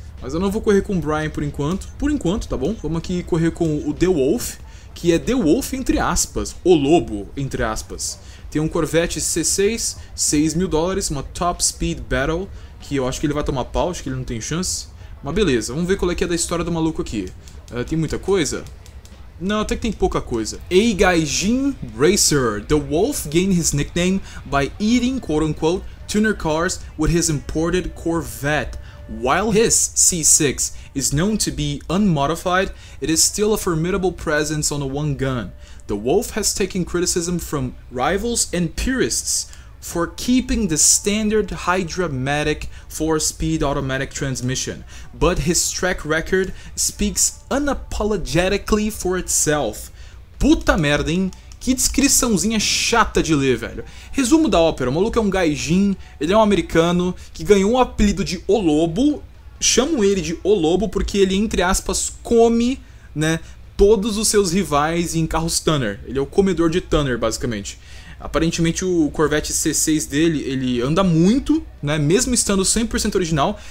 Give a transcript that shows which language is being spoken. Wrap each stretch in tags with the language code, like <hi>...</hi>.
<pt>Mas eu não vou correr com o Brian por enquanto. Por enquanto, tá bom? Vamos aqui correr com o The Wolf, que é The Wolf entre aspas. O Lobo, entre aspas. Tem um Corvette C6, 6 mil dólares, uma Top Speed Battle, que eu acho que ele vai tomar pau, acho que ele não tem chance. Mas beleza, vamos ver qual é que é da história do maluco aqui. Tem muita coisa? Não, até que tem pouca coisa.</pt> <en>Ei, Gaijin Racer, The Wolf gained his nickname by eating, quote-unquote, tuner cars with his imported Corvette. While his C6 is known to be unmodified, it is still a formidable presence on a one gun. The Wolf has taken criticism from rivals and purists for keeping the standard hydromatic 4-speed automatic transmission, but his track record speaks unapologetically for itself.</en> <pt>Puta merda, hein? Que descriçãozinha chata de ler, velho. Resumo da ópera, o maluco é um gaijin, ele é um americano, que ganhou o apelido de O Lobo. Chamo ele de O Lobo porque ele, entre aspas, come, né, todos os seus rivais em carros Tanner. Ele é o comedor de Tanner, basicamente. Aparentemente o Corvette C6 dele, ele anda muito, né, mesmo estando 100% original.</pt>